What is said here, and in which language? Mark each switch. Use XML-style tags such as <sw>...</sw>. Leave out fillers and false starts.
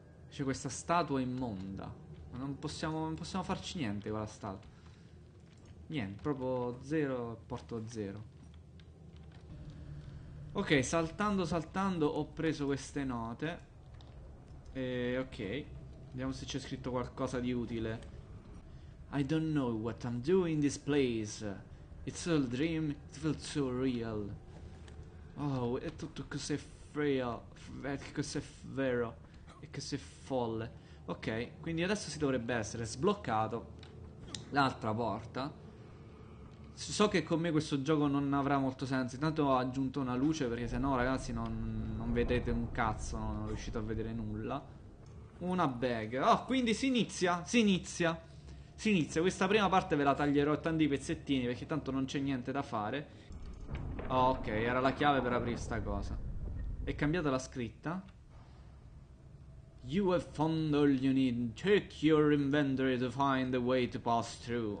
<it>C'è questa statua immonda. Non possiamo farci niente con la statua. Niente, proprio zero, porto zero. Ok, saltando, saltando, ho preso queste note. Ok, vediamo se c'è scritto qualcosa di utile.</it> <en>I don't know what I'm doing in this place. It's all a dream, it feels so real.</en> <it>Oh, è tutto così frail. Così vero. E che se folle. Ok, quindi adesso si dovrebbe essere sbloccato l'altra porta. So che con me questo gioco non avrà molto senso. Intanto ho aggiunto una luce perché sennò, ragazzi, non vedete un cazzo. Non riuscite a vedere nulla. Una bag. Oh, quindi si inizia. Si inizia. Si inizia. Questa prima parte ve la taglierò a tanti pezzettini perché tanto non c'è niente da fare. Oh, ok, era la chiave per aprire sta cosa. È cambiata la scritta.</it> <en>You have found all you need. Check your inventory to find a way to pass through.</en>